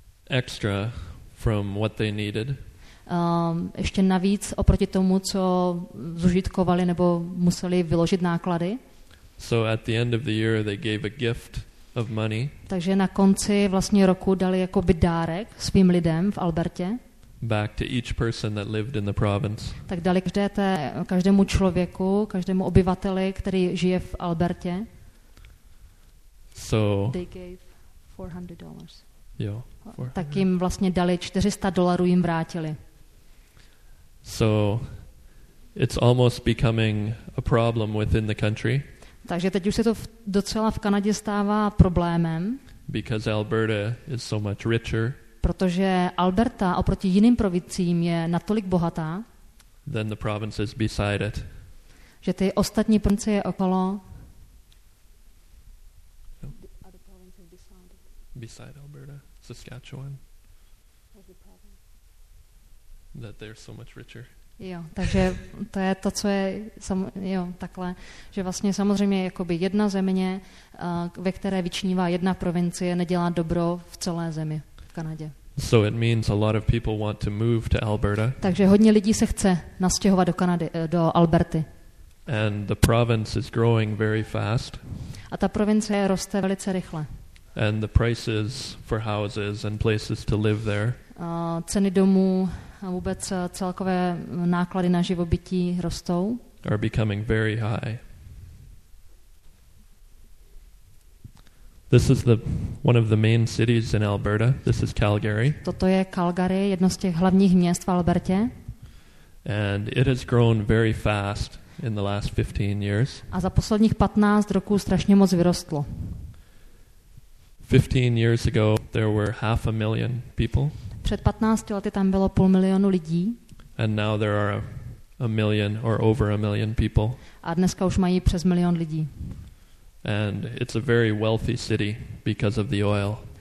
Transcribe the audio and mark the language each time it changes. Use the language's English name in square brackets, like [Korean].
[English] extra from what they needed. [Czech] Ještě navíc oproti tomu, co zužitkovali nebo museli vyložit náklady. [English] So at the end of the year they gave a gift of money. [Czech] Takže na konci vlastně roku dali jakoby dárek svým lidem v Albertě. [English] Back to each person that lived in the province. [Czech] Tak dali každému člověku, každému obyvateli, který žije v Albertě. [English] So they gave $400. [Czech] Jo. Tak jim vlastně dali $400 jim vrátili. [English] So it's almost becoming a problem within the country. [Czech] Takže teď už se to docela v Kanadě stává problémem. [English] Because Alberta is so much richer. [Czech] Protože Alberta oproti jiným provinciím je natolik bohatá. [English] Than the provinces beside it. [Czech] Že ty ostatní provincie okolo. [English] Beside Alberta, Saskatchewan. That they're so much richer. [Czech] Jo, takže to je to, co je takhle, že vlastně samozřejmě jakoby jedna země, ve které vyčnívá jedna provincie, nedělá dobro v celé zemi v Kanadě. [English] So it means a lot of people want to move to Alberta. [Czech] Takže hodně lidí se chce nastěhovat do Kanady, do Alberty. [English] And the province is growing very fast. [Czech] A ta provincie roste velice rychle. [English] And the prices for houses and places to live there. [Czech] Ceny domů a vůbec celkové náklady na živobytí rostou. [English] Are becoming very high. This is one of the main cities in Alberta. This is Calgary. [Czech] Toto je Calgary, jedno z těch hlavních měst v Albertě. [English] And it has grown very fast in the last 15 years. [Czech] A za posledních 15 roků strašně moc vyrostlo. [English] 15 years ago there were 500,000 people. [Czech] Před 15 lety tam bylo 500,000 lidí. [English] And now there are a million or over a million people. [Czech] A dneska už mají přes milion lidí. [English] And it's a very wealthy city because of the oil.